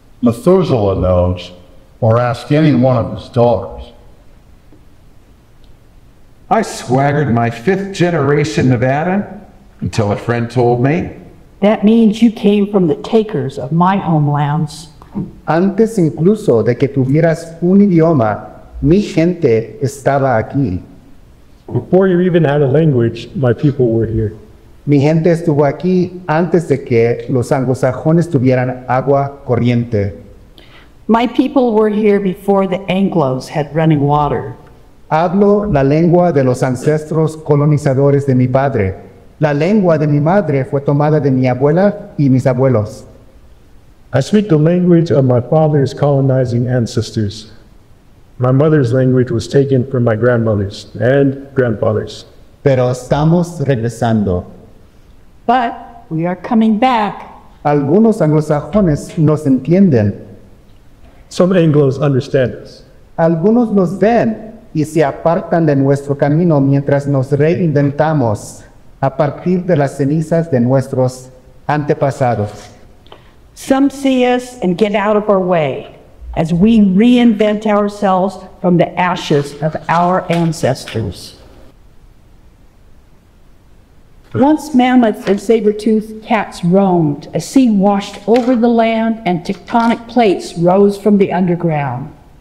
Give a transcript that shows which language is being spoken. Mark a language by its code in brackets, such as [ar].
[en] Methuselah knows, or ask any one of his daughters. I swaggered my fifth generation Nevada until a friend told me. That means you came from the takers of my homelands. [es] Antes incluso de que tuvieras un idioma, mi gente estaba aquí. [en] Before you even had a language, my people were here. [es] Mi gente estuvo aquí antes de que los anglosajones tuvieran agua corriente. [en] My people were here before the Anglos had running water. [es] Hablo la lengua de los ancestros colonizadores de mi padre. La lengua de mi madre fue tomada de mi abuela y mis abuelos. [en] I speak the language of my father's colonizing ancestors. My mother's language was taken from my grandmother's and grandfather's. [es] Pero estamos regresando. [en] But we are coming back. [es] Algunos anglosajones nos entienden. [en] Some Anglos understand us. [es] Algunos nos ven y se apartan de nuestro camino mientras nos reinventamos a partir de las cenizas de nuestros antepasados. [en] Some see us and get out of our way as we reinvent ourselves from the ashes of our ancestors. Once mammoths and saber-toothed cats roamed, a sea washed over the land, and tectonic plates rose from the underground.